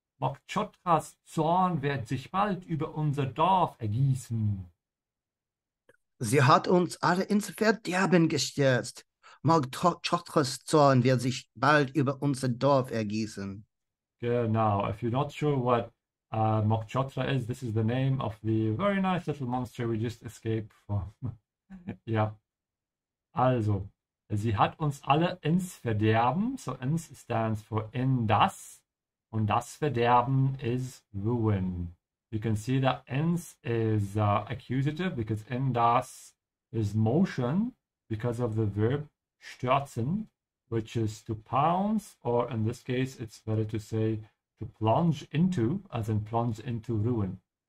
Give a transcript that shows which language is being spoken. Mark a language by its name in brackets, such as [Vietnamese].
[German] Mokchotras Zorn wird sich bald über unser Dorf ergießen. Sie hat uns alle ins Verderben gestürzt. Mokchotras Zorn wird sich bald über unser Dorf ergießen. Genau. [English] If you're not sure what Mokchotra is, this is the name of the very nice little monster we just escaped from. [German] Ja. Also. Sie hat uns alle ins Verderben, [English] so ins stands for in das, und das Verderben is ruin. You can see that ins is accusative, because in das is motion, because of the verb stürzen, which is to pounce, or in this case it's better to say to plunge into, as in plunge into ruin.